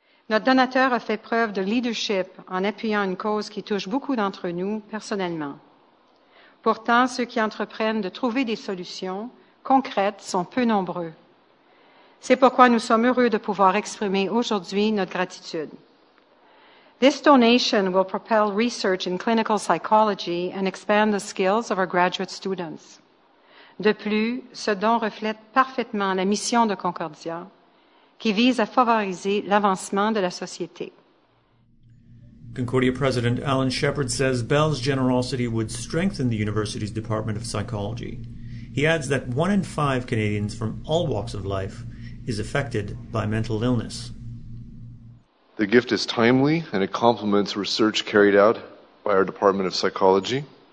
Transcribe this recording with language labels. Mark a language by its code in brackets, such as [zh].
[fr] Notre donateur a fait preuve de leadership en appuyant une cause qui touche beaucoup d'entre nous personnellement. Pourtant, ceux qui entreprennent de trouver des solutions concrètes sont peu nombreux. C'est pourquoi nous sommes heureux de pouvoir exprimer aujourd'hui notre gratitude. [en] This donation will propel research in clinical psychology and expand the skills of our graduate students. [fr] De plus, ce don reflète parfaitement la mission de Concordia, qui vise à favoriser l'avancement de la société. [en] Concordia President Alan Shepard says Bell's generosity would strengthen the university's Department of Psychology. He adds that 1 in 5 Canadians from all walks of life is affected by mental illness. The gift is timely and it complements research carried out by our Department of Psychology.